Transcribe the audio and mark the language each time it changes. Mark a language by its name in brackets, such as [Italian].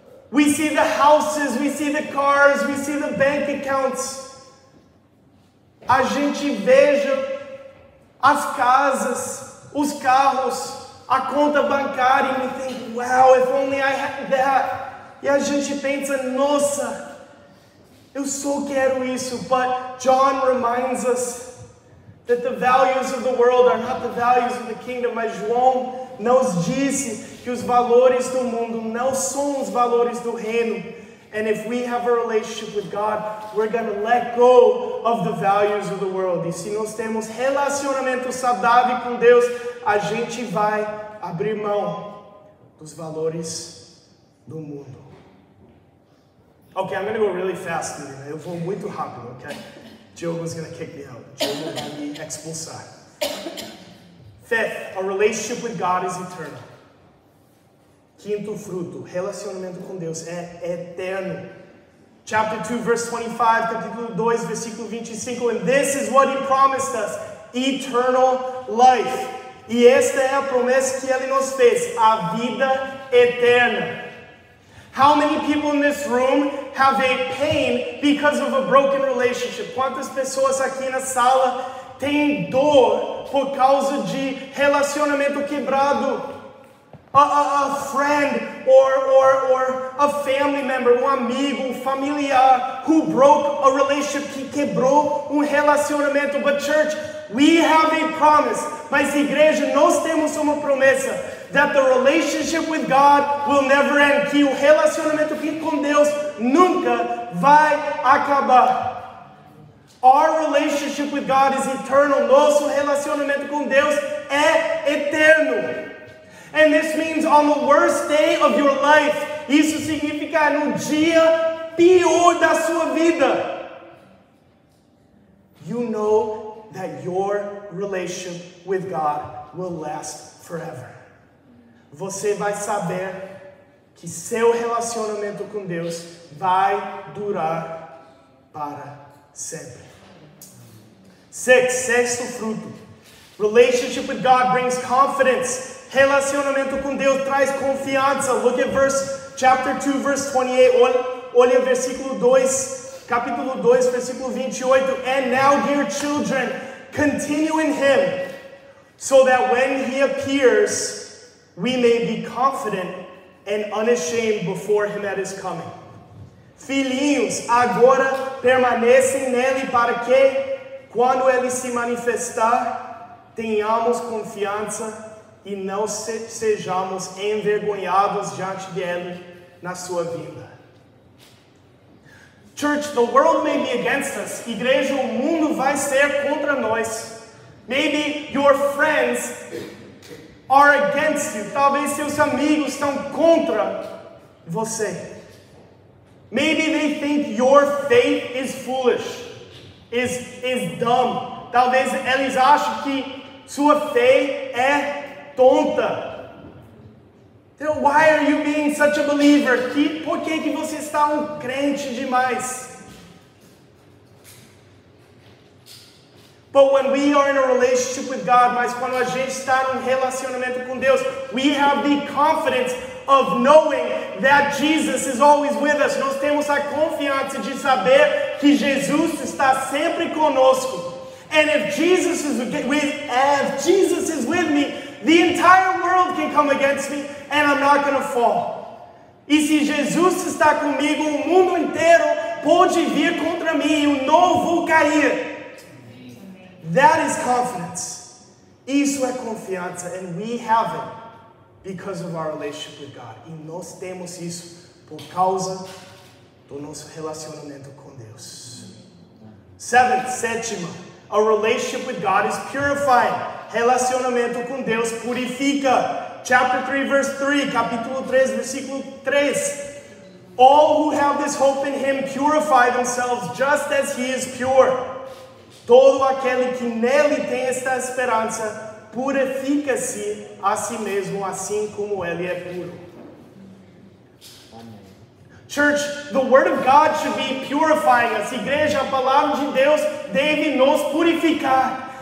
[English] We see the houses, we see the cars, we see the bank accounts. [Portuguese] A gente veja as casas, os carros, a conta bancária, [English] and we think, wow, if only I had that. [Portuguese] E a gente pensa, nossa, eu só quero isso. [English] But John reminds us that the values of the world are not the values of the kingdom. [Portuguese] Mas João nos disse que os valores do mundo não são os valores do reino. [English] And if we have a relationship with God, we're going to let go of the values of the world. [Portuguese] E se nós temos relacionamento saudável com Deus, a gente vai abrir mão dos valores do mundo. [English] Okay, I'm going to go really fast. [Portuguese] Eu vou muito rápido, [English] okay? Diogo's going to kick me out. [Portuguese] Diogo vai me expulsar. [English] Fifth, a relationship with God is eternal. [Portuguese] Quinto fruto, relacionamento com Deus é eterno. [English] Chapter 2, verse 25, [Portuguese] capítulo 2, versículo 25. [English] And this is what he promised us, eternal life. [Portuguese] E esta é a promessa que ele nos fez, a vida eterna. [English] How many people in this room have a pain because of a broken relationship? [Portuguese] Quantas pessoas aqui na sala têm dor por causa de relacionamento quebrado? [English] A friend or a family member, [Portuguese] um amigo, um familiar [English] who broke a relationship, [Portuguese] que quebrou um relacionamento. [English] But church, we have a promise. [Portuguese] Mas igreja, nós temos uma promessa [English] that the relationship with God will never end. [Portuguese] Que o relacionamento com Deus nunca vai acabar. [English] Our relationship with God is eternal. [Portuguese] Nosso relacionamento com Deus é eterno. [English] And this means on the worst day of your life, [Portuguese] isso significa no dia pior da sua vida, [English] you know that your relationship with God will last forever. [Portuguese] Você vai saber que seu relacionamento com Deus vai durar para sempre. Sexto fruto. [English] Relationship with God brings confidence. [Portuguese] Relacionamento com Deus traz confiança. [English] Look at verse, chapter 2, verse 28. [Portuguese] Olha versículo 2, capítulo 2, versículo 28. [English] And now, dear children, continue in him, so that when he appears, we may be confident and unashamed before him at his coming. [Portuguese] Filhinhos, agora permanecem nele para que, quando ele se manifestar, tenhamos confiança e não sejamos envergonhados diante dele na sua vida. [English] Church, the world may be against us. [Portuguese] Igreja, o mundo vai ser contra nós. [English] Maybe your friends are against you. [Portuguese] Talvez seus amigos estão contra você. [English] Maybe they think your faith is foolish, is dumb. [Portuguese] Talvez eles achem que sua fé é tonta. [English] Then why are you being such a believer? [Portuguese] Por que que você está crente demais? [English] But when we are in a relationship with God, [Portuguese] mas quando a gente está num relacionamento com Deus, [English] we have the confidence of knowing that Jesus is always with us. [Portuguese] Nós temos a confiança de saber que Jesus está sempre conosco. [English] And if Jesus is with me, the entire world can come against me and I'm not going to fall. [Portuguese] E se Jesus está comigo, o mundo inteiro pode vir contra mim e eu não vou cair. [English] That is confidence. [Portuguese] Isso é confiança, [English] and we have it because of our relationship with God. [Portuguese] E nós temos isso por causa do nosso relacionamento com Deus. Sétima, [English] a relationship with God is purifying. [Portuguese] Relacionamento com Deus purifica. [English] Chapter 3, verse 3, [Portuguese] capítulo 3, versículo 3. [English] All who have this hope in Him purify themselves just as He is pure. [Portuguese] Todo aquele que nele tem esta esperança purifica-se a si mesmo, assim como ele é puro. [English] Church, the Word of God should be purifying us. [Portuguese] Igreja, a palavra de Deus deve nos purificar.